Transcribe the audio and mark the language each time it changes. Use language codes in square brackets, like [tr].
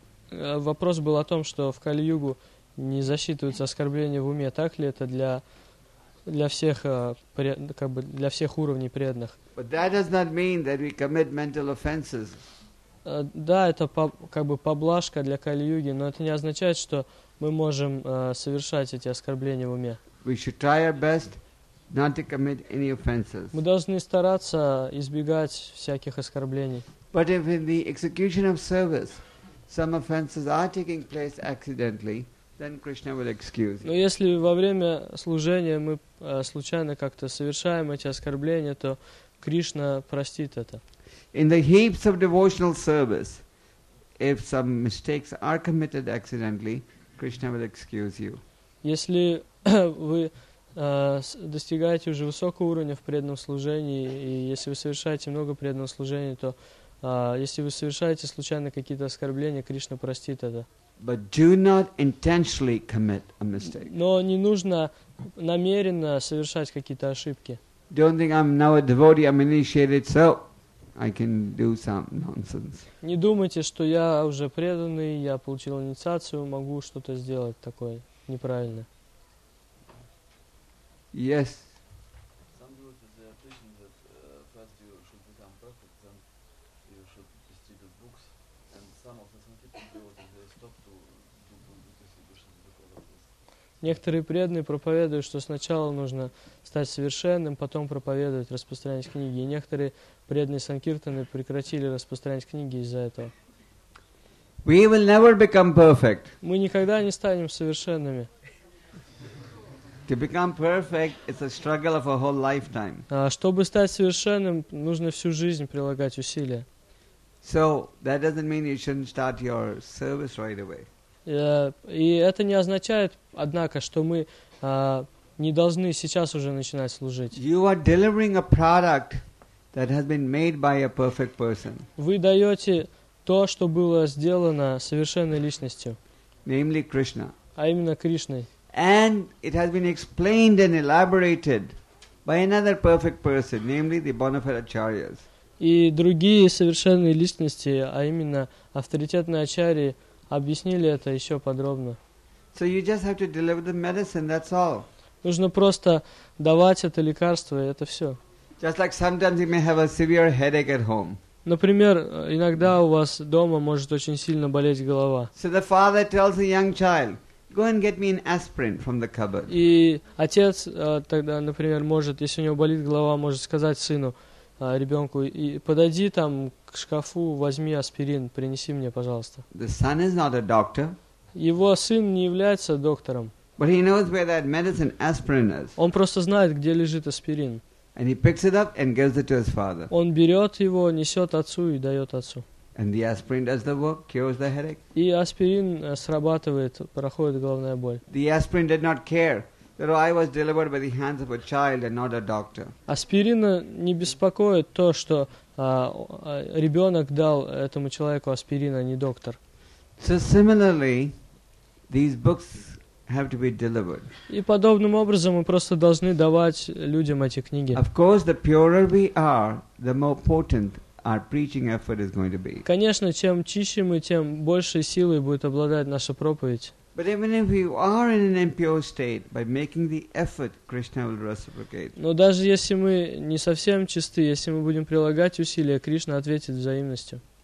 [ru] Вопрос был о том, что в Кали Югу не засчитываются оскорбления в уме. Так ли это для всех как бы для всех уровней преданных? [en] But that does not mean that we commit mental offenses. [ru] Да, это как бы поблажка для Кали-юги, но это не означает, что мы можем совершать эти оскорбления в уме. [en] We should try our best not to commit any offenses. [ru] Мы должны стараться избегать всяких оскорблений. [en] But if in the execution of service some offenses are taking place accidentally, then Krishna will excuse you. [ru] Но если во время служения мы случайно как-то совершаем эти оскорбления, то Кришна простит это. [en] In the heaps of devotional service, if some mistakes are committed accidentally, Krishna will excuse you. [ru] Если вы достигаете уже высокого уровня в преданном служении, и если вы совершаете много преданного служения, то если вы совершаете случайно какие-то оскорбления, Кришна простит это. [en] But do not intentionally commit a mistake. [ru] Но не нужно намеренно совершать какие-то ошибки. [en] Don't think I'm now a devotee, I'm initiated, so I can do some nonsense. [ru] Не думайте, что я уже преданный, я получил инициацию, могу что-то сделать такое неправильное. [en] Yes. Some devotees are preaching that first you should become perfect, then you should distribute books, and some of the sankirtan devotees they stop to do book distribution because of this. [ru] Некоторые преданные проповедуют, что сначала нужно стать совершенным, потом проповедовать, распространять книги. И некоторые преданные санкиртаны прекратили распространять книги из-за этого. [en] We will never become perfect. [ru] Мы никогда не станем совершенными. [en] To become perfect, it's a struggle of a whole lifetime. [ru] Чтобы стать совершенным, нужно всю жизнь прилагать усилия. [en] So that doesn't mean you shouldn't start your service right away. [ru] И это не означает, однако, что мы не должны сейчас уже начинать служить. [en] You are delivering a product that has been made by a perfect person. [ru] Вы даете то, что было сделано совершенной личностью. [en] Namely Krishna. [ru] А именно Кришной. [en] And it has been explained and elaborated by another perfect person, namely the bona fide acharyas. [ru] И другие совершенные личности, а именно авторитетные ачарьи, объяснили это еще подробно. [en] So you just have to deliver the medicine, that's all. [ru] Нужно просто давать это лекарство, и это все. [en] Just like sometimes you may have a severe headache at home. [ru] Например, иногда у вас дома может очень сильно болеть голова. [en] So the father tells the young child, go and get me an aspirin from the cupboard. [ru] И отец тогда, например, может, если у него болит голова, может сказать сыну, ребенку, и подойди там к шкафу, возьми аспирин, принеси мне, пожалуйста. [en] The son is not a doctor. [ru] Его сын не является доктором. [en] But he knows where that medicine aspirin is. [ru] Он просто знает, где лежит аспирин. [en] And he picks it up and gives it to his father. [ru] Он берет его, несет отцу и дает отцу. [en] And the aspirin does the work, cures the headache. [ru] И аспирин срабатывает, проходит головная боль. [en] The aspirin did not care that I was delivered by the hands of a child and not a doctor. [ru] Аспирина не беспокоит то, что ребенок дал этому человеку аспирин, а не доктор. [en] So similarly, these books have to be delivered. [ru] И подобным образом мы просто должны давать людям эти книги. [en] Of course, the purer we are, the more potent our preaching effort is going to be. [ru] Конечно, чем чище мы, тем больше силы будет обладать наша проповедь. [en] But even if you are in an impure state, by making the effort, Krishna will reciprocate. [ru] Но даже если мы не совсем чисты, если мы будем прилагать усилия, Кришна ответит взаимностью.